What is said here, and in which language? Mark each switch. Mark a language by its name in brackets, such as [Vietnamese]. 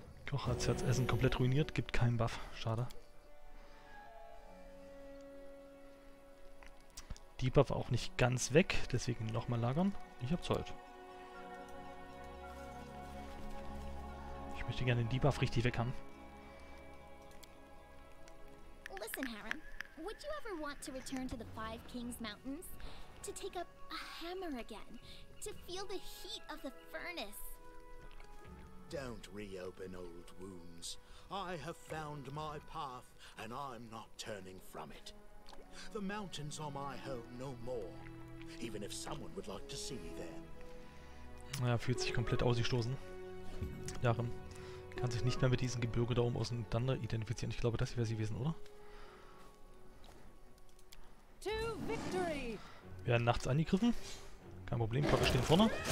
[German] Koch hat das Essen komplett ruiniert, gibt keinen Buff. Schade. Debuff auch nicht ganz weg, deswegen nochmal lagern. Ich hab Zeit. Ich möchte gerne den Debuff richtig weg haben. [English] Listen, Harem. Would you ever want to return to the Five Kings Mountains? To take up a hammer again? To feel the heat of the furnace? Don't reopen old wounds. I have found my path and I'm not turning from it. The mountains are my home no more. Even if someone would like to see me there. [German] Naja, fühlt sich komplett ausgestoßen. Darin kann sich nicht mehr mit diesem Gebirge da oben auseinander identifizieren. Ich glaube, das wäre sie gewesen, oder? [English] To victory. [German] Wir werden nachts angegriffen. Kein Problem, wir stehen vorne.